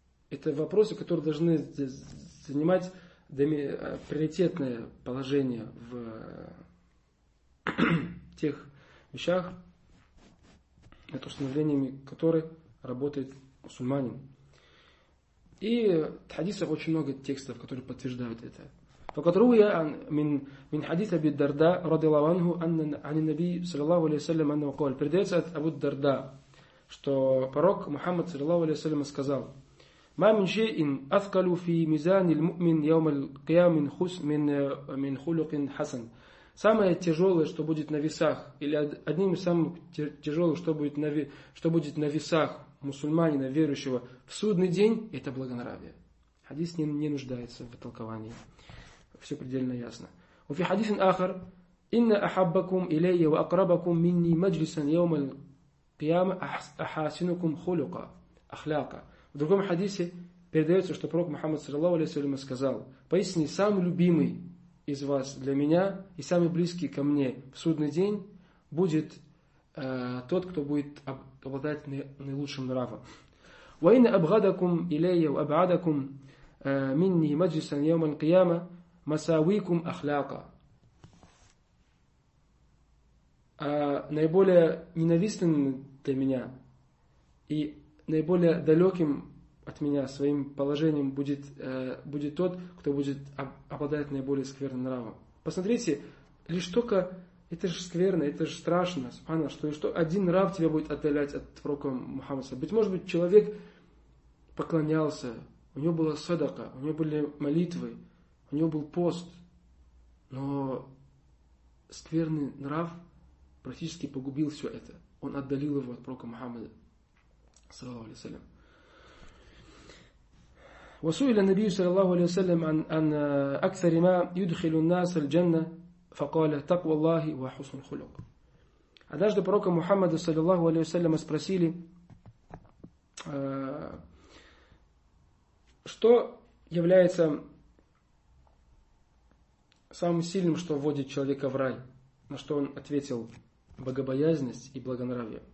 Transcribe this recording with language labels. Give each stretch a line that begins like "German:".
Russian: Это вопросы, которые должны занимать приоритетное положение в тех вещах, над установлениями которых работает мусульманин. И в хадисах очень много текстов, которые подтверждают это.
Arabic: فقد روى من حديث أبي الدرداء رضي الله عنه أن عن النبي صلى الله عليه وسلم أنه قال بردت عن أبو الدرداء
Russian: что пророк
Arabic: محمد صلى الله عليه وسلم
Russian: сказал
Arabic: ما من شيء أثقل في ميزان المؤمن يوم القيامة من خلق حسن.
Russian: Самое тяжелое, что будет на весах, или одним из самых тяжелых, что будет на весах мусульманина верующего в судный день, это благонравие. Хадис не нуждается в толковании. Все предельно ясно.
Arabic: وفي حديث آخر إن أحبكم إلي وأقربكم مني مجلسا يوم القيامة أحاسنكم خلقا أخلاقا.
Russian: В другом хадисе передается, что пророк Мухаммад саллаллаху алейхи ва саллям сказал: поистине самый любимый из вас для меня и самый близкий ко мне в судный день будет тот, кто будет обладать наилучшим нравом.
Arabic: وإن أبغضكم إلي وأبعدكم مني مجلسا يوم القيامة Масавикум ахляка.
Russian: А наиболее ненавистным для меня и наиболее далеким от меня своим положением будет тот, кто будет обладать наиболее скверным нравом. Посмотрите, лишь только это же скверно, это же страшно, субхана, что один нрав тебя будет отдалять от пророка Мухаммада. Быть может быть, человек поклонялся, у него была садака, у него были молитвы, у него был пост, но скверный нрав практически погубил все это. Он отдалил его от пророка Мухаммада, саллаллаху алейхи ва саллям.
Arabic: وسئل النبي صلى الله عليه وسلم عن أكثر ما يدخل الناس الجنة فقال تقوى الله وحسن الخلق.
Russian: Однажды пророка Мухаммада саллаллаху алейхи ва саллям спросили, что является самым сильным, что вводит человека в рай, на что он ответил: богобоязненность и благонравие.